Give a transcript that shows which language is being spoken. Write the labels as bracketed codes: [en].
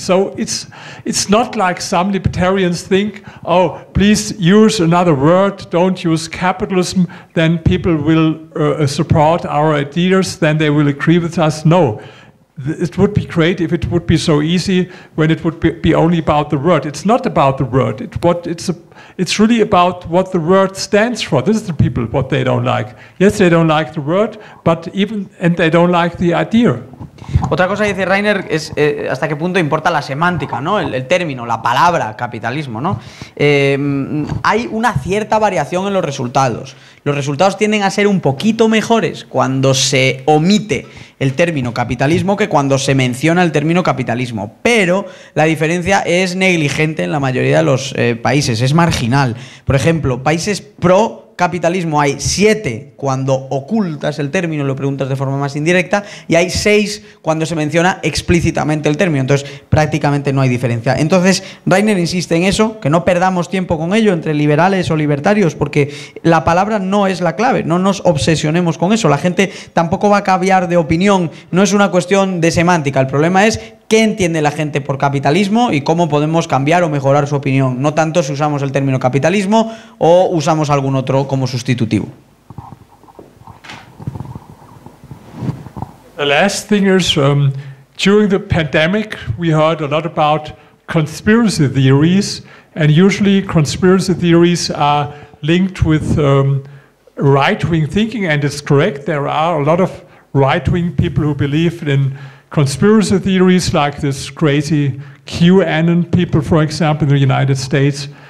[en] So it's not like some libertarians think, oh, please use another word, don't use capitalism, then people will support our ideas, then they will agree with us. No, It would be great if it would be so easy when it would be only about the word. It's not about the word. It's really about what the word stands for. This is the people, what they don't like. Yes, they don't like the word, but even, and they don't like the idea. [es] Otra cosa que dice Rainer es hasta qué punto importa la semántica, ¿no? El término, la palabra capitalismo, ¿no? Hay una cierta variación en los resultados. Los resultados tienden a ser un poquito mejores cuando se omite el término capitalismo que cuando se menciona el término capitalismo. Pero la diferencia es negligente en la mayoría de los países, es marginal. Por ejemplo, países pro capitalismo hay 7 cuando ocultas el término, lo preguntas de forma más indirecta, y hay 6 cuando se menciona explícitamente el término. Entonces, prácticamente no hay diferencia. Entonces, Rainer insiste en eso, que no perdamos tiempo con ello entre liberales o libertarios, porque la palabra no es la clave, no nos obsesionemos con eso. La gente tampoco va a cambiar de opinión, no es una cuestión de semántica. El problema es qué entiende la gente por capitalismo y cómo podemos cambiar o mejorar su opinión. No tanto si usamos el término capitalismo o usamos algún otro como sustitutivo. [en] The last thing is during the pandemic we heard a lot about conspiracy theories, and usually conspiracy theories are linked with right-wing thinking, and it's correct, there are a lot of right-wing people who believe in conspiracy theories, like this crazy QAnon people, for example, in the United States.